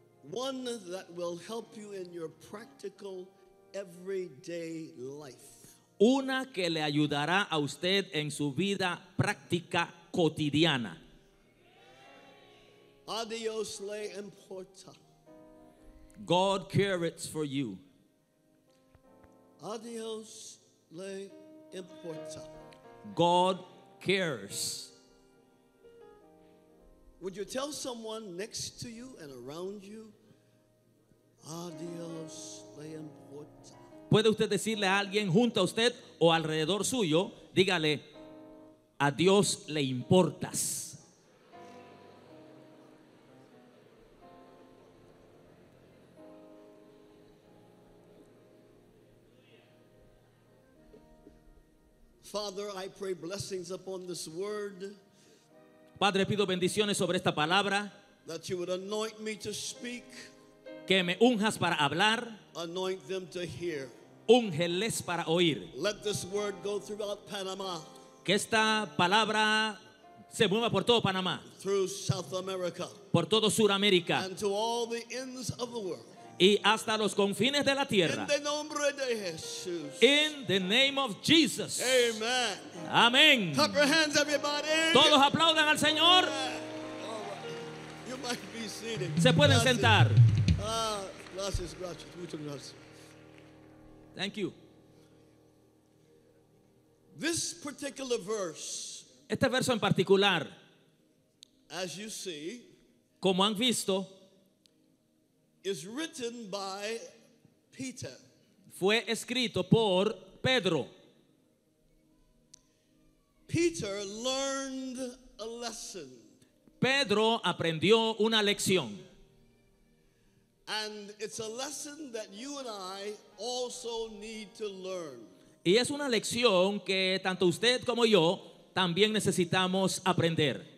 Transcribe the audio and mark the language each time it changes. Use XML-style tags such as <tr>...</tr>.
<en>One that will help you in your practical everyday life.</en> <es>Una que le ayudará a usted en su vida práctica cotidiana. A Dios le importa.</es> <en>God cares for you.</en> <es>A Dios le importa.</es> <en>God cares. Would you tell someone next to you and around you,</en> <es>a Dios le importa? ¿Puede usted decirle a alguien junto a usted o alrededor suyo, dígale, a Dios le importas?</es> <en>Father, I pray blessings upon this word.</en> <es>Padre, pido bendiciones sobre esta palabra.</es> <en>That you would anoint me to speak.</en> <es>Que me unjas para hablar.</es> <en>Anoint them to hear.</en> <es>Úngeles para oír.</es> <en>Let this word go throughout Panama.</en> <es>Que esta palabra se mueva por todo Panamá.</es> <en>Through South America.</en> <es>Por todo Sudamérica.</es> <en>And to all the ends of the world.</en> <es>Y hasta los confines de la tierra.</es> <en>In the</en> <es>nombre de Jesús.</es> <en>In the name of Jesus. Amen.</en> <es>Amen.</es> <en>Clap your hands, everybody.</en> <es>Todos aplaudan al Señor.</es> <en>Right. You might be seated.</en> <es>Se pueden gracias. Sentar. Gracias, gracias. Muchas gracias.</es> <en>Thank you. This particular verse.</en> <es>Este verso en particular.</es> <en>As you see.</en> <es>Como han visto.</es> <en>Is written by Peter.</en> <es>Fue escrito por Pedro.</es> <en>Peter learned a lesson.</en> <es>Pedro aprendió una lección.</es> <en>And it's a lesson that you and I also need to learn.</en> <es>Y es una lección que tanto usted como yo también necesitamos aprender.</es>